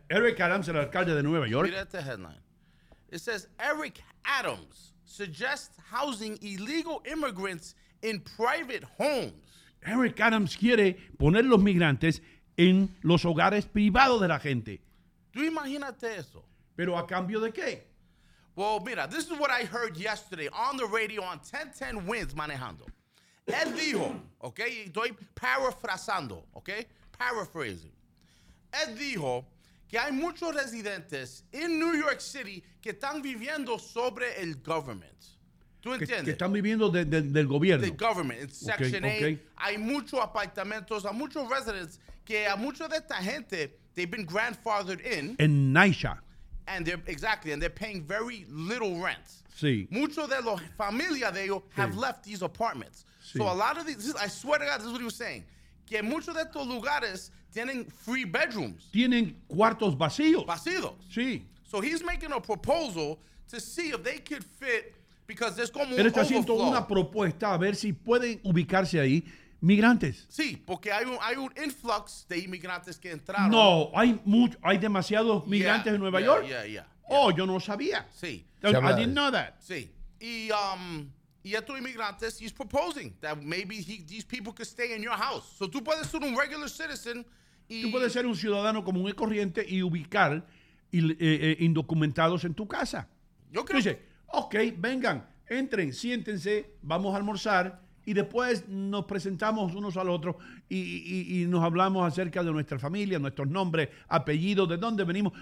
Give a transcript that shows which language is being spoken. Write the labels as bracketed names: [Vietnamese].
[Spanish] Eric Adams, el alcalde de Nueva York. Mira este [English] headline. It says, Eric Adams suggests housing illegal immigrants in private homes. [Spanish] Eric Adams quiere poner los migrantes en los hogares privados de la gente. Tú imagínate eso. ¿Pero a cambio de qué? [English] Well, [Spanish] mira, [English] this is what I heard yesterday on the radio on 1010 Winds [Spanish] manejando. Él dijo, ok, estoy parafrasando, ok, paraphrasing. Él dijo que hay muchos residentes en New York City que están viviendo sobre el government. ¿Tú entiendes? Que están viviendo del gobierno. Del government, en Section 8. Okay. Hay muchos apartamentos, hay muchos residents que a mucha de esta gente, [English] they've been grandfathered in. [Spanish] En NYSHA. [English] And they're exactly, and they're paying very little rent. [Spanish] Sí. Mucho de la familia de ellos [English] have left these apartments. [Spanish] Sí. [English] So a lot of these, I swear to God, this is what he was saying. [Spanish] Que muchos de estos lugares tienen free bedrooms. Tienen cuartos vacíos. Vacíos. Sí. [English] So he's making a proposal to see if they could fit, because there's [Spanish] como un overflow. Él está haciendo una propuesta a ver si pueden ubicarse ahí migrantes. Sí, porque hay un influx de inmigrantes que entraron. No, hay demasiados migrantes en Nueva York. [English] Yeah. [Spanish] Oh, yo no sabía. Sí. [English] I didn't know that. [Spanish] Sí. Y estos inmigrantes, [English] he's proposing that maybe these people could stay in your house. [Spanish] So tú puedes ser un [English] regular citizen. [Spanish] Tú puedes ser un ciudadano común y corriente y ubicar indocumentados en tu casa. Yo creo. Dice, ok, vengan, entren, siéntense, vamos a almorzar. Y después nos presentamos unos al otro y nos hablamos acerca de nuestra familia, nuestros nombres, apellidos, de dónde venimos.